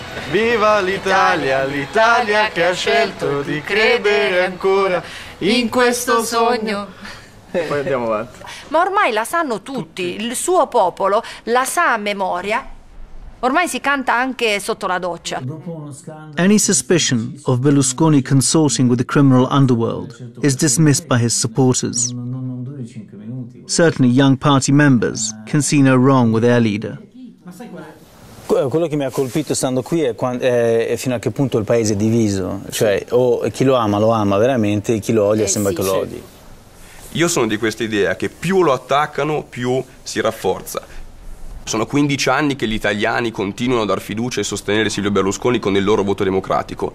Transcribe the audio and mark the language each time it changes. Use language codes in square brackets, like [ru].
[it] Viva l'Italia, l'Italia che ha scelto di credere ancora in questo sogno. Poi andiamo avanti. Ma ormai la sanno tutti, il suo popolo la sa a memoria. Ormai si canta anche sotto la doccia. [en] Any suspicion of Berlusconi consorting with the criminal underworld is dismissed by his supporters. Certainly young party members can see no wrong with their leader. [it] Quello che mi ha colpito stando qui è fino a che punto il paese è diviso, cioè o chi lo ama veramente, e chi lo odia sembra che lo odi. Io sono di questa idea che più lo attaccano, più si rafforza. Sono 15 anni che gli italiani continuano a dar fiducia e sostenere Silvio Berlusconi con il loro voto democratico.